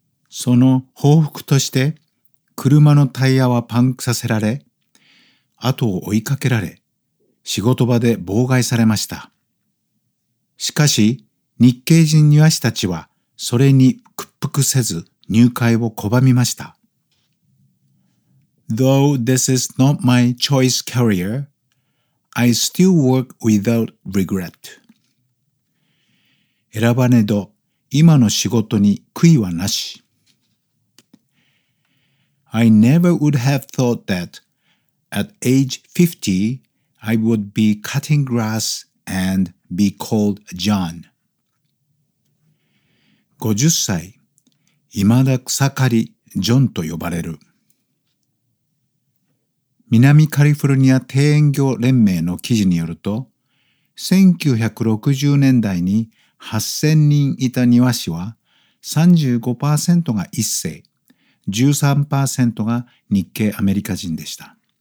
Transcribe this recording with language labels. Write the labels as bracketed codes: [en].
[ja] その報復として、車のタイヤはパンクさせられ、後を追いかけられ、仕事場で妨害されました。しかし、日系人庭師たちは、それに屈服せず入会を拒みました。 [en] Though this is not my choice career, I still work without regret. [ja] 選ばねど、今の仕事に悔いはなし。 [en] I never would have thought that at age 50 I would be cutting grass and be called John. [ja] 50歳、未だ草刈り、ジョンと呼ばれる。南カリフォルニア庭園業連盟の記事によると、1960年代に8000人いた庭師は 35% が一世、13% が日系アメリカ人でした。